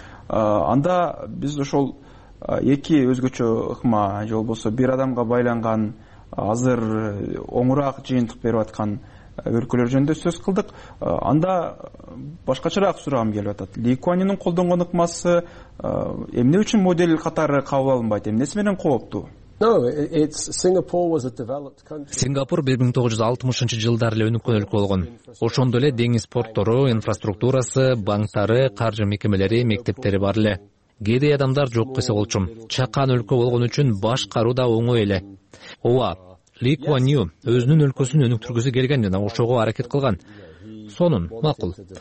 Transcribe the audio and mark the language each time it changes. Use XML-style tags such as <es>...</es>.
<ky>Анда биз ошол эки өзгөчө ыкма, же болбосо бир адамга байланган, азыр оңураак жыйынтык берип аткан өлкөлөр жөнүндө сөз кылдык. Анда башкачараак сурагым келип атат. Ли Куан Юнун колдонгон ыкмасы эмне үчүн модель катары кабыл алынбайт? Эмнеси менен кооптуу?</ky> <en>No, it's Singapore was a developed country.</en> <ky>Сингапур 1960-жылдар эле өнүккөн өлкө болгон. Ошондо эле деңиз порттору, инфраструктурасы, банктары, каржы мекемелери, мектептери бар эле. Кедей адамдар жок кылса болчу. Чакан өлкө болгон үчүн башкаруу да оңой эле. Ооба, Ли Куан Ю өзүнүн өлкөсүн өнүктүргүсү келген жана ошого аракет кылган. Сонун, макул.</ky>